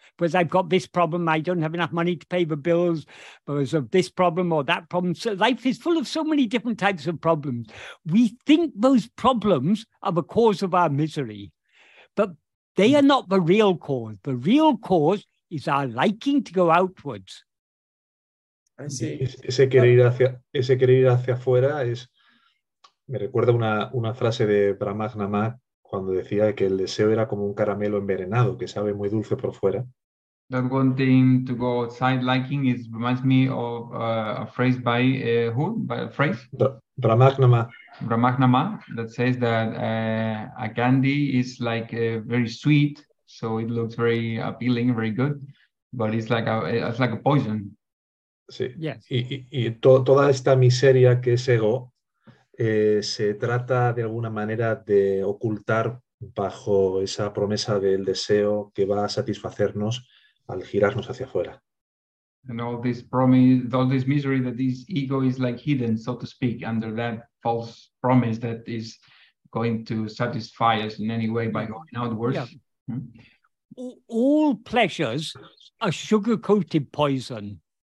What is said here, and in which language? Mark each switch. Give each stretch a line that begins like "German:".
English: Because I've got this problem, I don't have enough money to pay the bills because of this problem or that problem. So life is full of so many different types of problems. We think those problems are the cause of our misery, but they are not the real cause. The real cause is our liking to go outwards. I see.
Spanish: Ese querer ir hacia afuera es, me recuerda una frase de Brahmagnama cuando decía que el deseo era como un caramelo envenenado que sabe muy dulce por fuera.
English: That wanting to go outside liking is reminds me of a phrase by who? By a phrase? Brahmagnama. Brahmagnama, that says that a candy is like very sweet, so it looks very appealing, very good, but it's like a poison.
Spanish: Sí.
English: Yes.
Spanish: Toda esta miseria que es ego se trata de alguna manera de ocultar bajo esa promesa del deseo que va a satisfacernos al girarnos hacia afuera.
English: And all this promise, all this misery that this ego is like hidden, so to speak, under that false promise that is going to satisfy us in any way by going outwards. Yeah. All pleasures are sugar-coated poison.